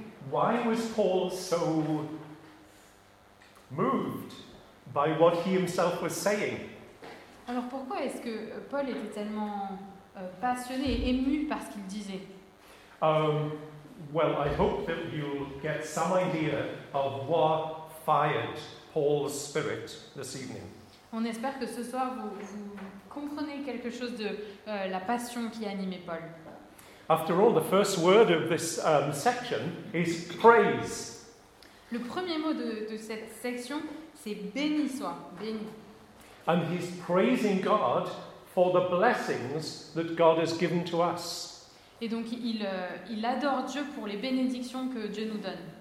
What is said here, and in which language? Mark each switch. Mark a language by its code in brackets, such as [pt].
[en] Why was Paul so moved by what he himself was saying? [fr] Alors pourquoi est-ce que Paul était tellement passionné et ému par ce qu'il disait? [en] Well, I hope that you'll get some idea of what fired Paul's spirit this evening. [fr] On espère que ce soir vous comprenez quelque chose de la passion qui animait Paul. [en] After all, the first word of this section is praise. [fr] Le premier mot de cette section, c'est béni soit, béni. [en] And he's praising God for the blessings that God has given to us. [fr] Et donc il adore Dieu pour les bénédictions que Dieu nous donne.